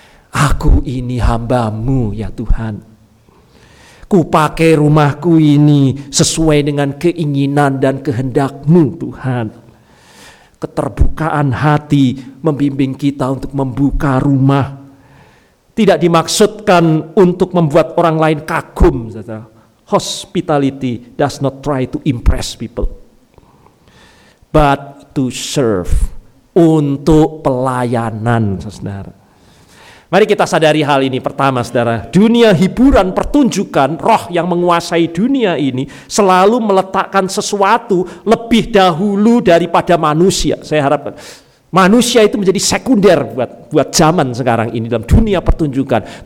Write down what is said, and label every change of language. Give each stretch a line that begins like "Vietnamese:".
Indonesian: Aku ini hamba-Mu ya Tuhan. Ku pakai rumahku ini sesuai dengan keinginan dan kehendak-Mu Tuhan. Keterbukaan hati membimbing kita untuk membuka rumah. Tidak dimaksudkan untuk membuat orang lain kagum.
English: Hospitality does not try to impress people, but to serve.
Indonesian: Untuk pelayanan, saudara. Mari kita sadari hal ini. Pertama, saudara, dunia hiburan, pertunjukan, roh yang menguasai dunia ini selalu meletakkan sesuatu lebih dahulu daripada manusia. Saya harap manusia itu menjadi sekunder buat zaman sekarang ini dalam dunia pertunjukan.